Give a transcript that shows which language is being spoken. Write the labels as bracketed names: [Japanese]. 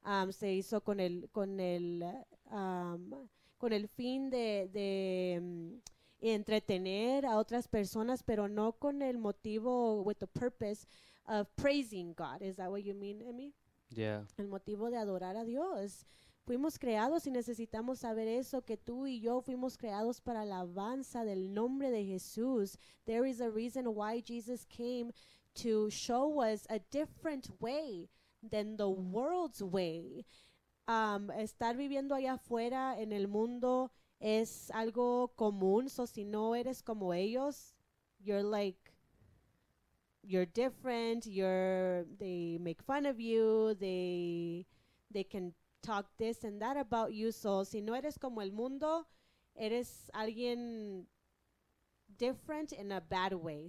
[Spanish] Se hizo con el fin de entretener a otras personas, pero no con el motivo, [English] with the purpose of praising God. Is that what you mean, Emmy? Yeah. [Spanish] El motivo de adorar a Dios. Fuimos creados y necesitamos saber eso, que tú y yo fuimos creados para alabanza del nombre de Jesús. [English] There is a reason why Jesus came to show us a different way than the world's way. [Spanish] Estar viviendo allá afuera en el mundo es algo común. [English] So [Spanish] si no eres como ellos, [English] you're like, you're different. They make fun of you. They can talk this and that about you. [Spanish] So si no eres como el mundo, eres alguien [English] different in a bad way.